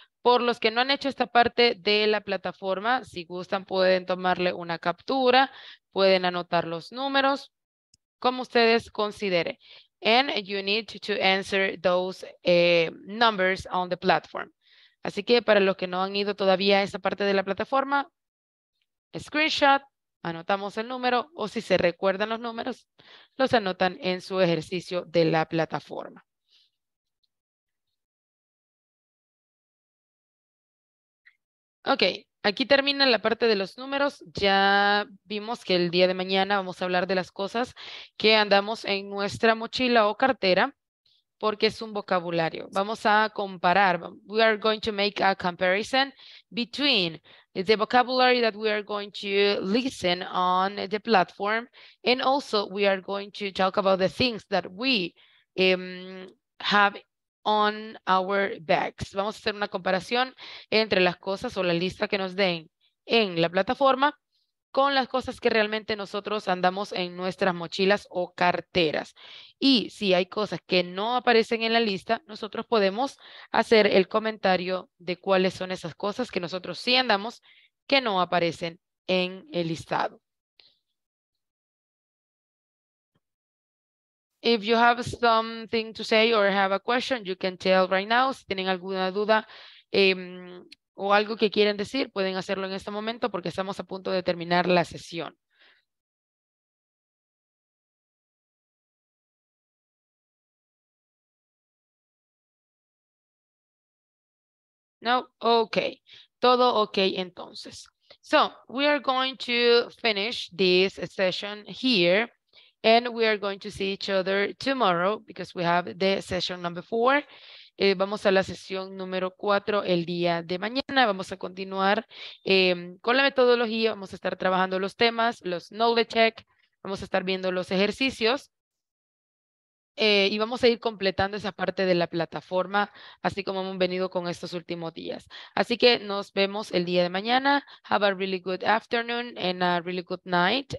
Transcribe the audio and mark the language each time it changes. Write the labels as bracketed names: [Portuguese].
[Spanish] Por los que no han hecho esta parte de la plataforma, si gustan pueden tomarle una captura, pueden anotar los números, como ustedes consideren. [English] And you need to answer those numbers on the platform. [Spanish] Así que para los que no han ido todavía a esa parte de la plataforma, screenshot, anotamos el número, o si se recuerdan los números, los anotan en su ejercicio de la plataforma. Ok, aquí termina la parte de los números. Ya vimos que el día de mañana vamos a hablar de las cosas que andamos en nuestra mochila o cartera, porque es un vocabulario. Vamos a comparar. [English] We are going to make a comparison between the vocabulary that we are going to listen on the platform, and also we are going to talk about the things that we have on our bags. [Spanish] Vamos a hacer una comparación entre las cosas o la lista que nos den en la plataforma con las cosas que realmente nosotros andamos en nuestras mochilas o carteras. Y si hay cosas que no aparecen en la lista, nosotros podemos hacer el comentario de cuáles son esas cosas que nosotros sí andamos que no aparecen en el listado. [English] If you have something to say or have a question, you can tell right now. [Spanish] Si tienen alguna duda o algo que quieren decir, pueden hacerlo en este momento porque estamos a punto de terminar la sesión. No, okay. Todo okay entonces. [English] So, we are going to finish this session here. And we are going to see each other tomorrow because we have the session number 4. [Spanish] Vamos a la sesión número 4 el día de mañana. Vamos a continuar con la metodología. Vamos a estar trabajando los temas, los knowledge check. Vamos a estar viendo los ejercicios. Y vamos a ir completando esa parte de la plataforma, así como hemos venido con estos últimos días. Así que nos vemos el día de mañana. [English] Have a really good afternoon and a really good night.